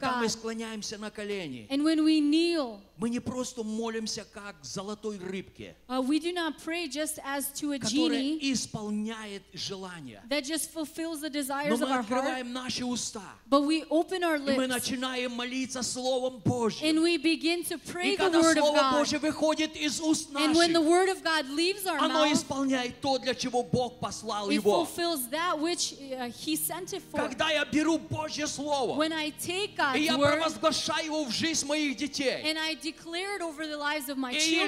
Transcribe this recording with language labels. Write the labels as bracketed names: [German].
[Russian] Когда мы склоняемся на колени. [English] And when we kneel. [Russian] Мы не просто молимся как золотой рыбке. [English] We do not pray just as to a genie. [Russian] Которая исполняет желания. [English] That just fulfills the desires of our heart. [Russian] Но мы открываем наши уста. [English] But we open our lips. [Russian] И мы начинаем молиться Словом Божьим. [English] And we begin to pray the word of God. [Russian] И когда Слово Божье выходит из уст наших, [English] and when the word of God leaves our mouth, [Russian] оно исполняет то, для чего Бог послал его. [English] It fulfills that which he sent it for. [Russian] Когда я беру Божье Слово, [English] when I take God's word, [Russian] и я провозглашаю его в жизнь моих детей, [English] and I declare it over the lives of my children,